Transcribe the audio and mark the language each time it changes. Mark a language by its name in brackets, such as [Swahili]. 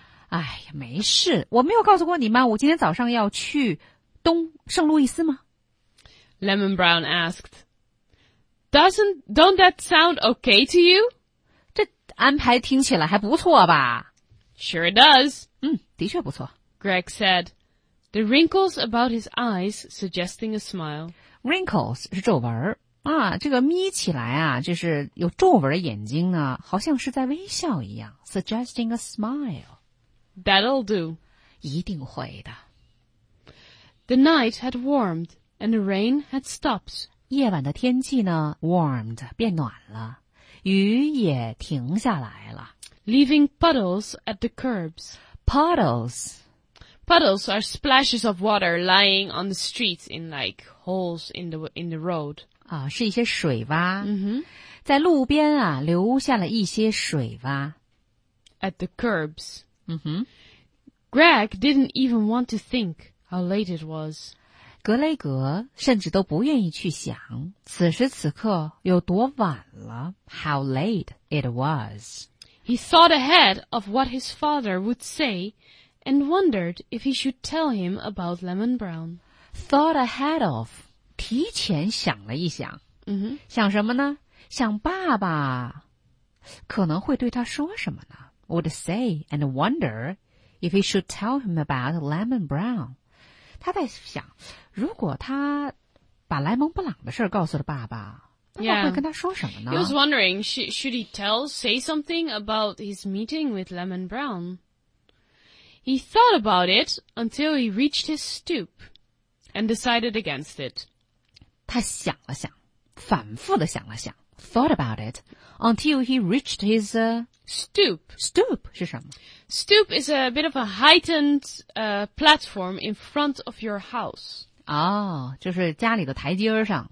[Chinese] 哎呀，没事，我没有告诉过你吗？我今天早上要去东圣路易斯吗？ [English] Lemon Brown asked. Don't that sound okay to you? [Chinese] 这安排听起来还不错吧？ [English] Sure it does. [Chinese] 的确不错。 [English] Greg said. The wrinkles about his eyes suggesting a smile. [Chinese] Wrinkles 是皱纹啊，这个眯起来啊，就是有皱纹的眼睛呢，好像是在微笑一样 ， [English] suggesting a smile. That'll do. [Chinese] 一定会的。 [English] The night had warmed and the rain had stopped. [Chinese] 夜晚的天气呢 ，warmed 变暖了，雨也停下来了 [English] ，leaving puddles at the curbs. Puddles. Puddles are splashes of water lying on the streets in like holes in the road. [Chinese] 啊，是一些水洼。嗯哼，在路边啊，留下了一些水洼。 [English] At the curbs. 嗯哼。 Greg didn't even want to think how late it was. [Chinese] 格雷格甚至都不愿意去想此时此刻有多晚了。 [English] How late it was. He thought ahead of what his father would say. And wondered if he should tell him about Lemon Brown. Thought ahead of, [Chinese] 提前想了一想。 Mm-hmm. 想什么呢？想爸爸可能会对他说什么呢？ [English] Would say and wonder if he should tell him about Lemon Brown. [Chinese] 他在想，如果他把莱蒙布朗的事告诉了爸爸，爸爸会跟他说什么呢？ [English] Yeah. He was wondering, should he say something about his meeting with Lemon Brown? He thought about it until he reached his stoop and decided against it. [Chinese] 他想了想，反复地想了想， [English] thought about it until he reached his, stoop. [Chinese] Stoop 是什么? [English] Stoop is a bit of a heightened, platform in front of your house. [Chinese] 哦,就是家里的台阶上。